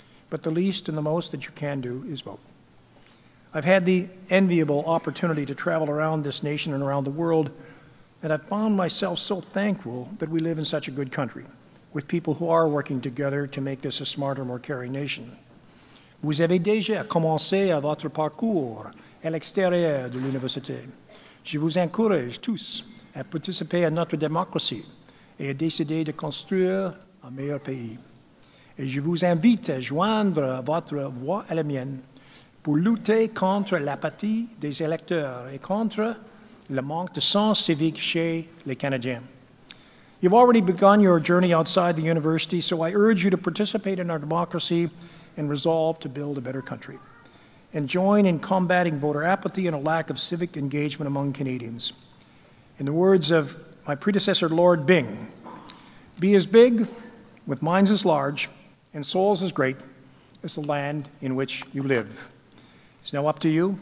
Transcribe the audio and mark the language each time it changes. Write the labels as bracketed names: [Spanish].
[English] But the least and the most that you can do is vote. I've had the enviable opportunity to travel around this nation and around the world, and I found myself so thankful that we live in such a good country, with people who are working together to make this a smarter, more caring nation. [French] Vous avez déjà commencé à votre parcours à l'extérieur de l'université. Je vous encourage tous à participer à notre démocratie et à décider de construire un meilleur pays. Et je vous invite à joindre votre voix à la mienne pour lutter contre l'apathie des électeurs et contre le manque de sens civique chez les Canadiens. [English] You've already begun your journey outside the university, so I urge you to participate in our democracy and resolve to build a better country, and join in combating voter apathy and a lack of civic engagement among Canadians. In the words of my predecessor, Lord Byng, be as big, with minds as large, and souls as great, as the land in which you live. It's now up to you.